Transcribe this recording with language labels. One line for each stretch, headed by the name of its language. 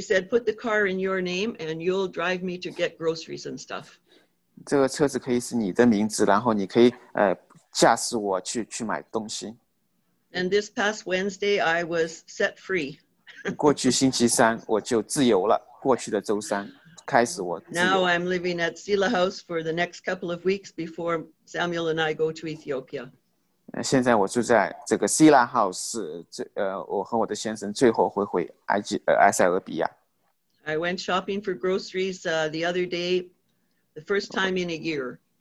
English: said, put the car in your name and you'll drive me to get groceries and stuff.
Chinese: 这个车子可以是你的名字，然后你可以驾驶我去买东西。And
English: this past Wednesday, I was set free.
Chinese: 过去星期三我就自由了，过去的周三开始我自由。Now
English: I'm living at Sila House for the next couple of weeks before Samuel and I go to Ethiopia.
Chinese: 现在我住在这个Sila House，我和我的先生最后会回埃及埃塞俄比亚。I
English: went shopping for groceries the other day, the first time in a year.